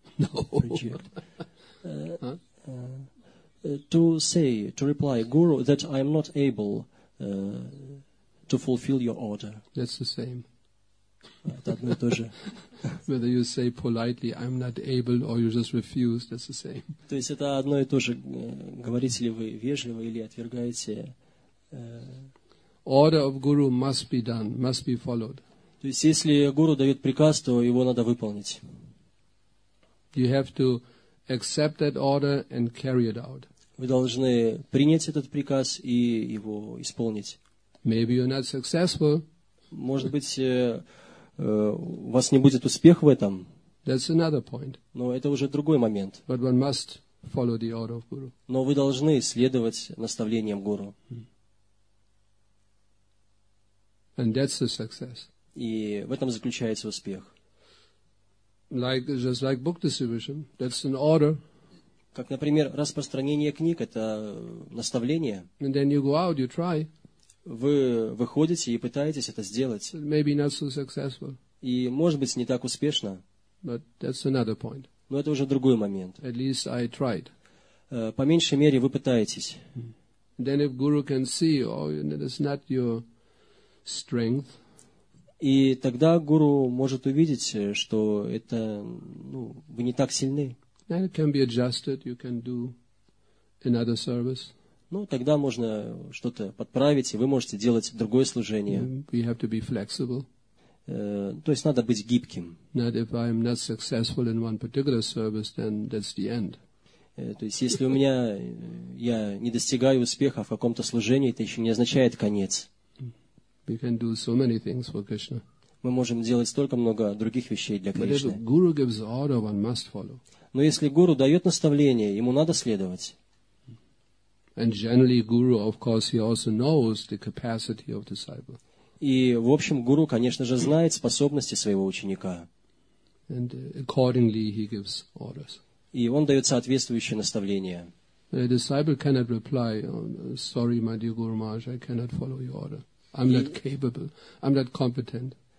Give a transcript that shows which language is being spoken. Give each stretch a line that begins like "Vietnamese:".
English: No. To reply guru that I am not able to fulfill your order. That's the same. Whether you say politely, I'm not able, or you just refuse, that's the same.
Russian: То есть это одно и то же. Говорите ли вы вежливо или отвергаете?
English: Order of guru must be done, must be followed.
Russian: То есть если гуру дает приказ, то его надо выполнить.
English: You have to accept that order and carry it out.
Russian: Вы должны принять этот приказ и его исполнить.
English: Maybe you're not successful.
Russian: Может быть, у вас не будет успеха в этом.
English: That's another point.
Russian: Но это уже другой момент.
English: But one must follow the order of guru.
Russian: Но вы должны следовать наставлениям гуру.
English: And that's the success.
Russian: И в этом заключается успех.
English: Like, just like book distribution, that's an order.
Russian: Как, например, распространение книг – это наставление.
English: And then you go out, you try.
Russian: Вы выходите и пытаетесь это сделать.
English: Maybe not so successful.
Russian: И, может быть, не так успешно.
English: But that's another point.
Russian: Но это уже другой момент.
English: At least I tried.
Russian: По меньшей мере, вы пытаетесь.
English: Then if guru can see, oh, that's not your strength.
Russian: И тогда гуру может увидеть, что это, ну, вы не так сильны.
English: Then it can be adjusted, you can do another service.
Russian: Ну, тогда можно что-то подправить, и вы можете делать другое служение.
English: We have to be flexible.
Russian: То есть надо быть гибким.
English: Not if I'm not successful in one particular service, then that's the end.
Russian: То есть если у меня, я не достигаю успеха в каком-то служении, это еще не означает конец.
English: We can do so many things for Krishna.
Russian: Мы можем делать столько много других вещей для Кришны.
English: But if guru gives order, one must follow.
Russian: Но если гуру дает наставление, ему надо следовать.
English: And generally, guru, of course, he also knows the capacity of disciple.
Russian: И в общем, гуру, конечно же, знает способности своего ученика.
English: And accordingly, he gives orders.
Russian: И он дает соответствующее наставление.
English: A disciple cannot reply, "Sorry, my dear Guru Maharaj, I cannot follow your order. I'm not capable. I'm not competent."